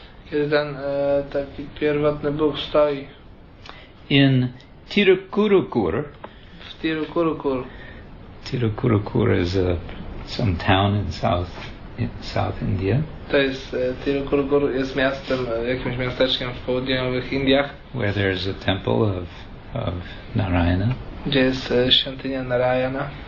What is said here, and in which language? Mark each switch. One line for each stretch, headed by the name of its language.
Polish: kiedy ten taki pierwotny Bóg stoi
English: in Tirukurukur.
Polish: W Tirukurukur.
English: Tirukurukur is some town in South India.
Polish: To jest Tirukurukur jest miastem, jakimś miasteczkiem w południowych Indiach.
English: Where there is a temple of Narayana.
Polish: Gdzie jest świątynia Narayana.